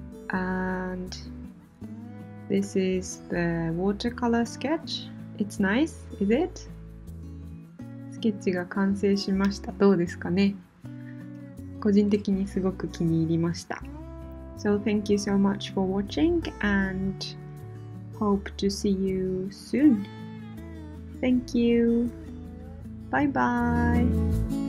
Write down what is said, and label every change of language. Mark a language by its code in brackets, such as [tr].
[en] And this is the watercolor sketch. It's nice, is it? [ja] ケッチが完成しました。どうですかね？個人的にすごく気に入りました。 [en] So thank you so much for watching and hope to see you soon. Thank you. Bye bye.